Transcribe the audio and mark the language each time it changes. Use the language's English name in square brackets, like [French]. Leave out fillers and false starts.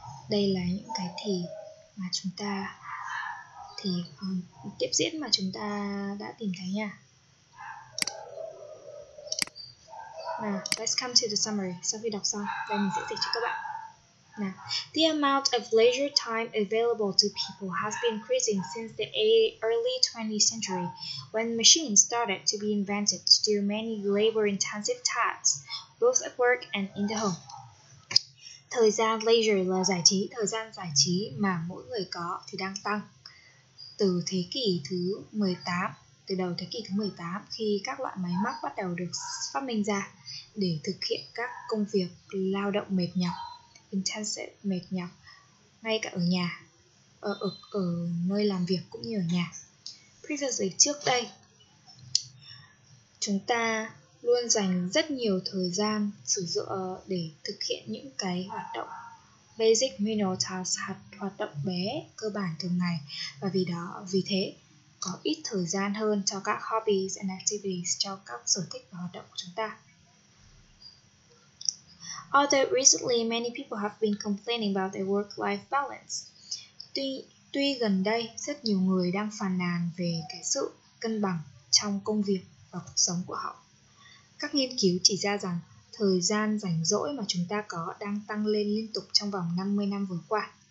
[Vietnamese] Đây là những cái thì mà chúng ta thì tiếp diễn mà chúng ta đã tìm thấy nha. [English] Now, let's come to the summary. [Vietnamese] Sau khi đọc xong, đây mình sẽ dịch cho các bạn. [English] Now, the amount of leisure time available to people has been increasing since the early 20th century, when machines started to be invented to do many labor-intensive tasks, both at work and in the home. [Vietnamese] Thời gian leisure là giải trí. Thời gian giải trí mà mỗi người có thì đang tăng. Từ thế kỷ thứ 18, từ đầu thế kỷ thứ 18 khi các loại máy móc bắt đầu được phát minh ra để thực hiện các công việc lao động mệt nhọc, intensive, mệt nhọc, ngay cả ở nhà, ở nơi làm việc cũng như ở nhà. Previously, trước đây, chúng ta luôn dành rất nhiều thời gian sử dụng để thực hiện những cái hoạt động [English] basic menial tasks, [Vietnamese] hoạt động bé, cơ bản thường ngày. Và vì thế, có ít thời gian hơn cho các [English] hobbies and activities, [Vietnamese] cho các sở thích và hoạt động của chúng ta. [English] Although recently many people have been complaining about their work-life balance. [Vietnamese] Tuy gần đây rất nhiều người đang phàn nàn về cái sự cân bằng trong công việc và cuộc sống của họ. Các nghiên cứu chỉ ra rằng thời gian rảnh rỗi mà chúng ta có đang tăng lên liên tục trong vòng 50 năm vừa qua.